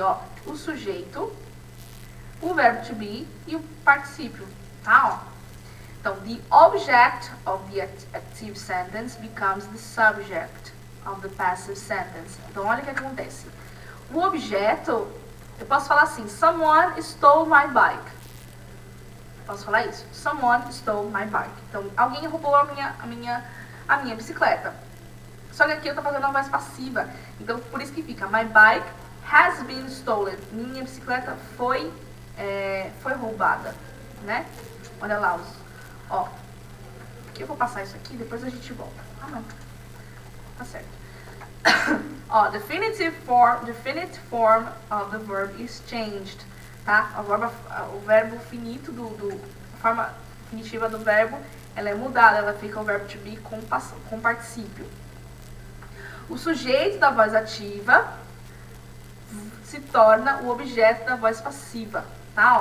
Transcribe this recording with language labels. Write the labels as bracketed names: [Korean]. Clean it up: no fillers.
[Portuguese] Ó, o sujeito, o verbo to be e o particípio, tá? Ó. [English] Então, the object of the active sentence becomes the subject of the passive sentence. [Portuguese] Então, olha o que acontece. O objeto, eu posso falar assim: [English] someone stole my bike. [Portuguese] Posso falar isso? [English] Someone stole my bike. [Portuguese] Então, alguém roubou a minha bicicleta. Só que aqui eu estou fazendo uma voz passiva. Então, por isso que fica: [English] my bike has been stolen. [Portuguese] Minha bicicleta foi roubada, né? Olha lá, ó. Aqui eu vou passar isso aqui, depois a gente volta. Ah, não. Tá certo. [English] Ó, definite form of the verb is changed. [Portuguese] Tá? O verbo finito a forma definitiva do verbo, ela é mudada, ela fica o verbo to be com particípio. O sujeito da voz ativa se torna o objeto da voz passiva, tá?